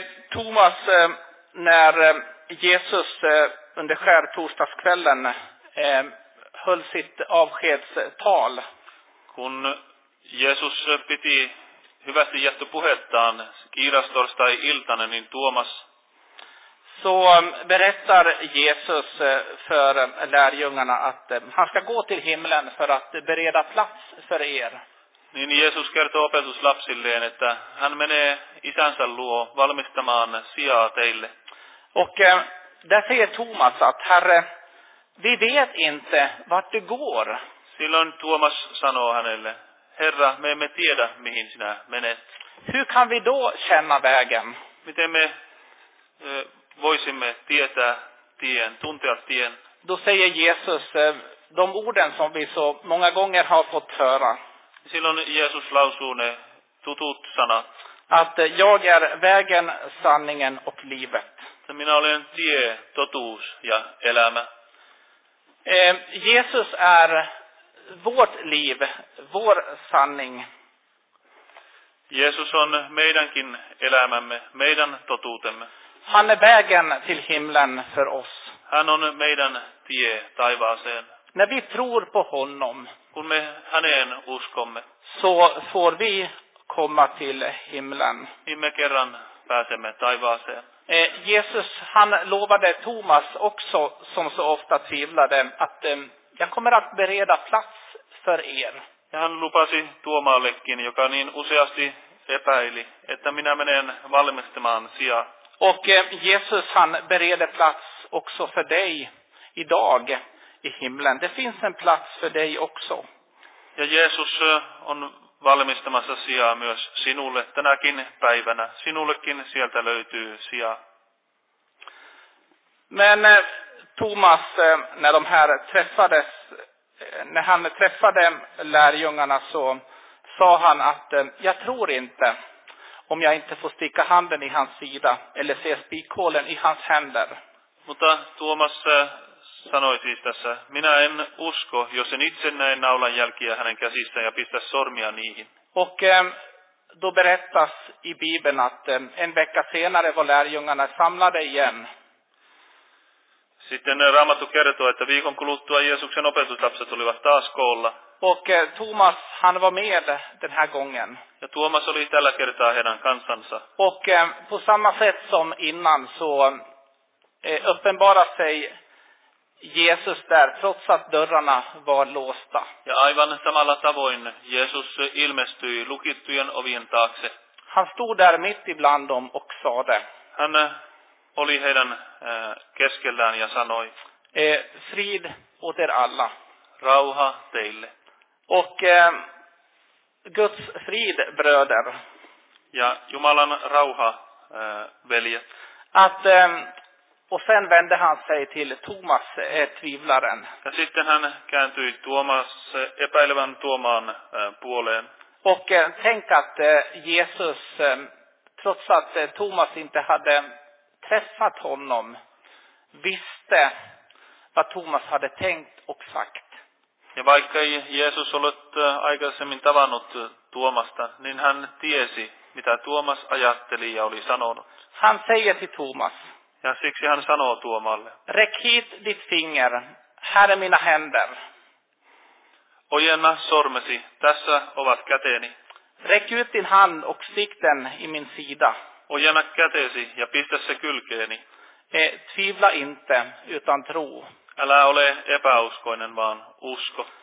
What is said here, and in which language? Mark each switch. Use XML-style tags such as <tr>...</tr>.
<sv>Thomas, när Jesus under skärtorsdagskvällen höll sitt avskedstal.</sv> <fi>Kun Jesus piti hyvästi jättöpuhettaan kiirastorstai iltana, niin Tuomas.</fi> <sv>Så berättar Jesus för lärjungarna att han ska gå till himlen för att bereda plats för er.</sv> <fi>Niin Jesus kertoo opetuslapsilleen, että hän menee isänsä luo valmistamaan sijaa teille.</fi> <sv>Och där säger Thomas att Herre, vi vet inte vart du går.</sv> <fi>Silloin Thomas sanoo hänelle, Herra, me emme tiedä mihin sinä menet.</fi> <sv>Hur kan vi då känna vägen?</sv> <fi>Miten me voisimme tietää tien, tuntea tien.</fi> <sv>Då säger Jesus de orden som vi så många gånger har fått höra.</sv> <fi>Silloin Jesus lausuu ne tutut sanat.</fi> <sv>Att jag är vägen, sanningen och livet.</sv> <fi>Minä olen tie, totuus ja elämä.</fi> <sv>Jesus är vårt liv, vår sanning.</sv> <fi>Jesus on meidänkin elämämme, meidän totuutemme.</fi> <sv>Han är vägen till himlen för oss.</sv> <fi>Han on meidän tie taivaaseen.</fi> <sv>När vi tror på honom,</sv> <fi>kun me häneen uskomme,</fi> <sv>så får vi komma till himlen.</sv> <fi>Niin me kerran pääsemme taivaaseen.</fi> <sv>Jesus, han lovade Thomas också, som så ofta tvivlade, att jag kommer att bereda plats för er.</sv> <fi>Ja hän lupasi Tuomallekin, joka niin useasti epäili, että minä menen valmistamaan sijaa.</fi> <sv>Och Jesus, han bereder plats också för dig idag i himlen. Det finns en plats för dig också.</sv> <fi>Ja Jesus on valmistamassa sijaa myös sinulle tänäkin päivänä. Sinullekin sieltä löytyy sijaa.</fi> <sv>Men Thomas, när de här träffades, när han träffade lärjungarna, så sa han att jag tror inte. Om jag inte får sticka handen i hans sida eller se spikhålen i hans händer.</sv> <fi>Mutta Tuomas sanoi siis tässä, minä en usko, jos en itse näe naulan jälkiä hänen käsistään ja pistä sormia niihin.</fi> <sv>Och då berättas i Bibeln att en vecka senare var lärjungarna samlade igen.</sv> <fi>Sitten Raamattu kertoo, että viikon kuluttua Jeesuksen opetuslapset olivat taas koolla.</fi> <sv>Och Thomas, han var med den här gången.</sv> <fi>Ja Thomas oli tällä kertaa heidän kansansa.</fi> <sv>Och på samma sätt som innan så uppenbarade sig Jesus där trots att dörrarna var låsta.</sv> <fi>Ja aivan samalla tavoin Jeesus ilmestyi lukittujen ovien taakse.</fi> <sv>Han stod där mitt ibland dem och sa det.</sv> <fi>Han oli heidän keskellään ja sanoi.</fi> <sv>Frid åt er alla.</sv> <fi>Rauha teille.</fi> <sv>Och Guds frid, bröder.</sv> <fi>Ja Jumalan rauha, veljet.</fi> <sv>Att och sen vände han sig till Thomas, tvivlaren.</sv> <fi>Ja sitten hän kääntyi Tuomas, epäilevän Tuomaan puoleen.</fi> <sv>Och tänk att Jesus, trots att Thomas inte hade träffat honom, visste vad Thomas hade tänkt och sagt.</sv> <fi>Ja vaikka ei Jesus ollut aikaisemmin tavannut Tuomasta, niin hän tiesi, mitä Tuomas ajatteli ja oli sanonut.</fi> <sv>Han säger till Thomas.</sv> <fi>Ja siksi hän sanoo Tuomalle.</fi> <sv>Räck hit ditt finger, här är mina händer.</sv> <fi>Ojenna sormesi, tässä ovat käteeni.</fi> <sv>Räck ut din hand och sikten i min sida.</sv> <fi>Ojenna käteesi ja pistä se kylkeeni.</fi> <sv>Tvivla inte, utan tro.</sv> <fi>Älä ole epäuskoinen, vaan usko.</fi>